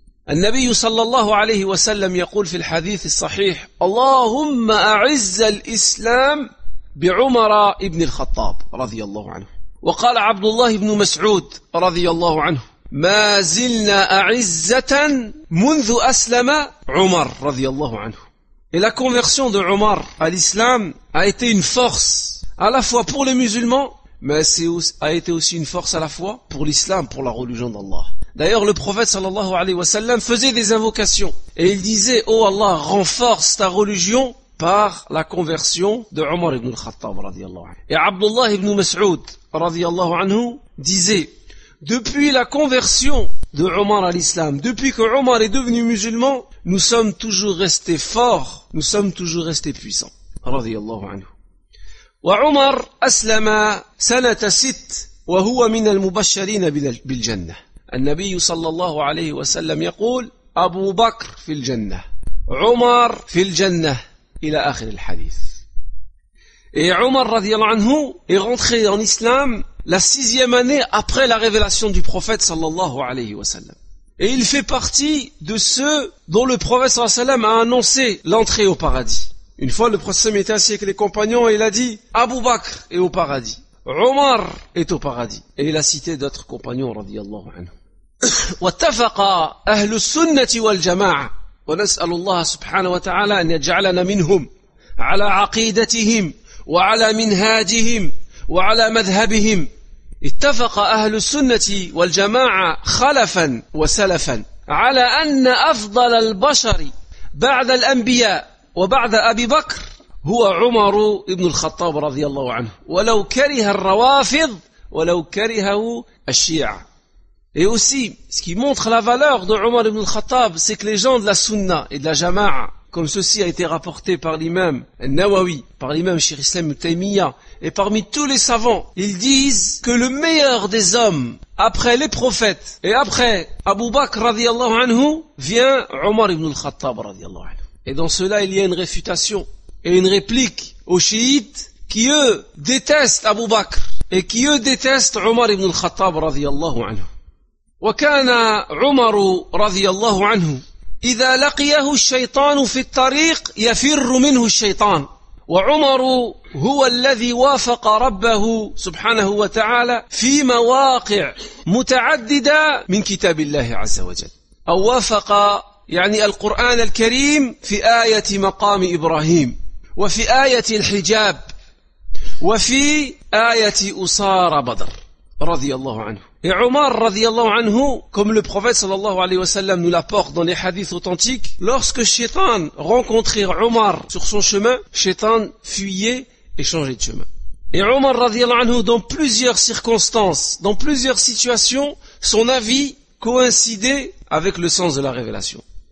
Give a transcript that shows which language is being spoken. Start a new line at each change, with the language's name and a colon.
Arabic: النبي صلى الله عليه وسلم يقول في الحديث الصحيح اللهم أعز الإسلام بعمر ابن الخطاب رضي الله عنه وقال عبد الله بن مسعود رضي الله عنه ما زلنا أعزة منذ أسلم عمر رضي الله عنه.
French: Et la conversion de Omar à l'islam a été une force à la fois pour les musulmans, mais a été aussi une force à la fois pour l'islam, pour la religion d'Allah. D'ailleurs, le prophète sallallahu alayhi wa sallam faisait des invocations et il disait, oh Allah, renforce ta religion par la conversion de Omar ibn al-Khattab radiallahu anhu. Et Abdullah ibn Mas'ud radiallahu anhu disait, depuis la conversion de Omar à l'islam, depuis que Omar est devenu musulman, nous sommes toujours restés forts, nous sommes toujours restés puissants radiallahu anhu.
Arabic: Wa Omar aslama sanata sit wa huwa min al-mubashirin bil jannah. النبي صلى الله عليه وسلم يقول أبو بكر في الجنة عمر في الجنة إلى آخر الحديث.
French: Et عمر رضي الله عنه est rentré en islam la sixième année après la révélation du prophète صلى الله عليه وسلم. Et il fait partie de ceux dont le prophète صلى الله عليه وسلم a annoncé l'entrée au paradis. Une fois le prophète était assis avec les compagnons et il a dit Abu Bakr est au paradis. عمر est au paradis. Et il a cité d'autres compagnons رضي الله عنه.
Arabic: واتفق أهل السنة والجماعة ونسأل الله سبحانه وتعالى أن يجعلنا منهم على عقيدتهم وعلى منهاجهم وعلى مذهبهم. اتفق أهل السنة والجماعة خلفا وسلفا على أن أفضل البشر بعد الأنبياء وبعد أبي بكر هو عمر بن الخطاب رضي الله عنه ولو كره الروافض ولو كرهه الشيعة.
French: Et aussi, ce qui montre la valeur de Omar ibn al-Khattab, c'est que les gens de la Sunna et de la Jama'a, comme ceci a été rapporté par l'imam Nawawi, par l'imam Sheikh Islam Taymiyyah, et parmi tous les savants, ils disent que le meilleur des hommes, après les prophètes, et après Abu Bakr radiallahu anhu, vient Omar ibn al-Khattab radiallahu anhu. Et dans cela, il y a une réfutation et une réplique aux chiites qui eux détestent Abu Bakr et qui eux détestent Omar ibn al-Khattab radiallahu anhu.
Arabic: وكان عمر رضي الله عنه إذا لقيه الشيطان في الطريق يفر منه الشيطان وعمر هو الذي وافق ربه سبحانه وتعالى في مواقع متعددة من كتاب الله عز وجل أو وافق يعني القرآن الكريم في آية مقام إبراهيم وفي آية الحجاب وفي آية أسار بدر رضي الله عنه.
French: Et Omar radiallahu anhu, comme le prophète sallallahu alayhi wa sallam nous l'apporte dans les hadiths authentiques, lorsque Shaitan rencontrait Omar sur son chemin, Shaitan fuyait et changeait de chemin. Et Omar radiallahu anhu, dans plusieurs circonstances, dans plusieurs situations, son avis coïncidait avec le sens de la révélation.